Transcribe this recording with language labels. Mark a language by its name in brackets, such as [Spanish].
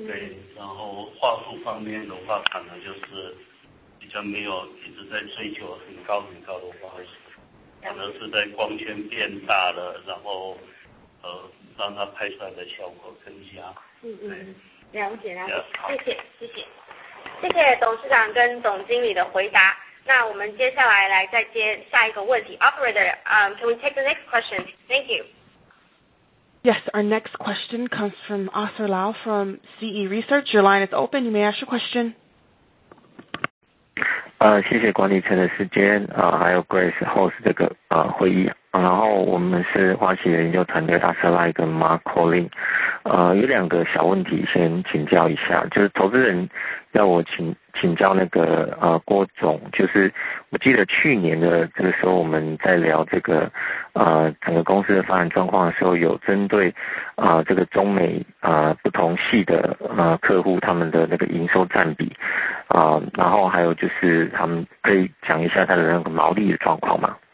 [Chinese] 对，然后话术方面的话可能就是比较没有一直在追求很高很高的话术，可能是在光圈变大了，然后让它拍出来的效果更加。了解，谢谢。谢谢董事长跟总经理的回答。那我们接下来来再接下一个问题。 [English] Operator, can we take the next question? Thank you. Yes, our next question comes from Arthur Lau from CE Research. Your line is open. You may ask your question. [Chinese] 谢谢管理层的时间，还有 Grace [English] host [Chinese] 这个会议。然后我们是花旗研究团队阿瑟赖跟 Mark Colin， 有两个小问题先请教一下，就是投资人要我请教那个郭总，就是我记得去年的这个时候我们在聊这个整个公司的发展状况的时候，有针对这个中美不同系的客户他们的那个营收占比然后还有就是他们可以讲一下他的那个毛利的状况吗？